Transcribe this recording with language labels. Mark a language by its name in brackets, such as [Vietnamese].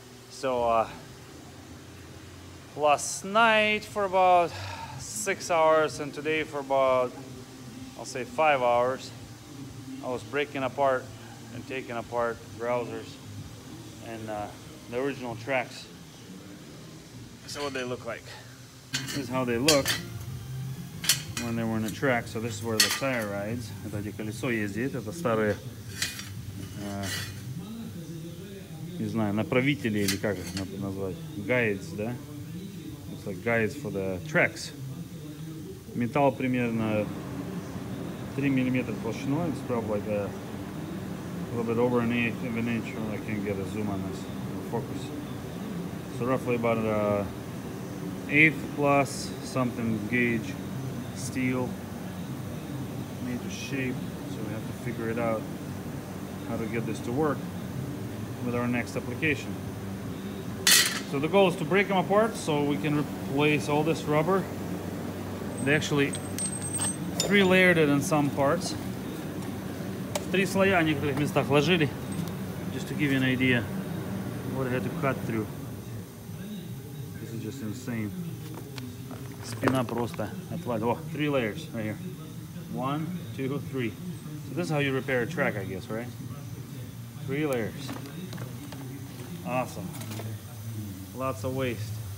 [English] So, last night for about 6 hours and today for about, I'll say 5 hours, I was breaking apart and taking apart browsers and the original tracks. So what they look like. This is how they look when they were in the track. So this is where the tire rides. [Russian] Это где колесо ездит, это старые... Не знаю, направители или как их назвать. [English] Guides, [Russian] да? [English] It's like guides for the tracks. [Russian] Металл примерно 3 миллиметра толщиной. [English] It's probably like a little bit over an eighth of an inch. I can't get a zoom on this. Focus. So roughly about an eighth plus something gauge steel. Made to shape. So we have to figure it out how to get this to work with our next application. So the goal is to break them apart so we can replace all this rubber. They actually three layered it in some parts. [Russian] Три слоя в некоторых местах ложили. [English] Just to give you an idea what I had to cut through. This is just insane. [Russian] Спина просто отвалит. [English] Oh, three layers right here. 1, 2, 3. So this is how you repair a track, I guess, right? Three layers. Awesome. Lots of waste.